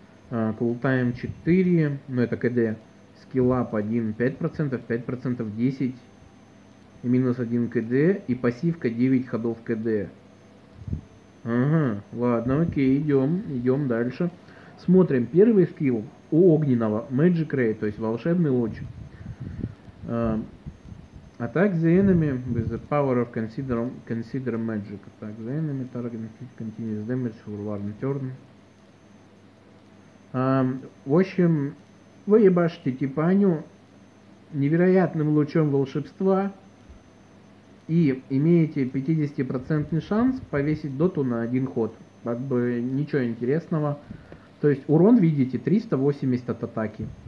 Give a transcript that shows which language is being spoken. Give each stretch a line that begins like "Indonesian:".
Russian: Кулл-тайм 4. Ну это КД. Скиллап 1.5%. 5% 10. Минус 1 КД. И пассивка 9 ходов КД. Ага. Ладно, окей. Идем. Идем дальше. Смотрим. Первый скилл у огненного. Magic Ray. То есть волшебный луч.
English: Attack the enemy with the power of consider magic. Attack the enemy target continuous damage for one turn.
Russian: В общем, вы ебашите типаню невероятным лучом волшебства и имеете 50% шанс повесить доту на один ход. Как бы ничего интересного. То есть урон, видите, 380 от атаки.